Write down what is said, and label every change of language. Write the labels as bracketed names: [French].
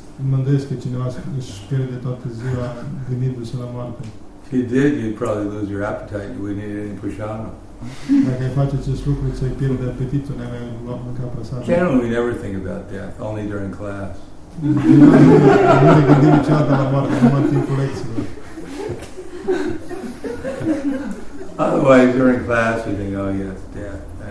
[Romanian] Mă gândesc că cineva își pierde toată ziua gândindu-se la moarte. [English] If you did, you'd probably lose your appetite. You wouldn't eat any prasadam. [Romanian] Dacă ai face acest lucru, ți-ai pierde apetitul, n-ai mai luat mânca prasadam. [English] Generally, we never think about death, only during class. [Romanian] Nu ne gândim niciodată la moarte, numai în timpul lecțiilor. [English] Otherwise, during class, we think, oh, yes, death.